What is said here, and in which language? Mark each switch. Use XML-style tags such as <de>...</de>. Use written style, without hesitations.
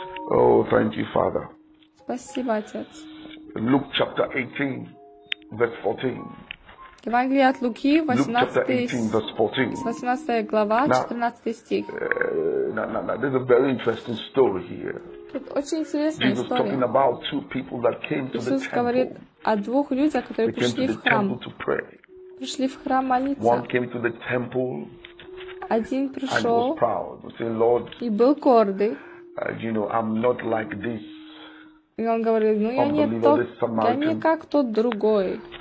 <en>Oh, thank you, Father.</en> <ru>Спасибо, Отец.</ru> <en>Luke chapter 18. Verse 14.</en> <ru>Евангелие от Луки, 18 глава, 14 стих.</ru> <en>There's a very interesting story here.</en> <ru>Тут очень интересная история.</ru> <en>Jesus talking about two people that came to the temple.</en> <ru>Иисус говорит о двух людях, которые пришли в храм. Пришли в храм молиться.</ru> <en>One came to the temple.</en> <ru>Один пришел.</ru> <en>And was proud, saying, Lord.</en> <ru>И был гордый.</ru> <en>You know, I'm not like this.</en> <ru>И он говорит, ну я не как тот другой,</ru>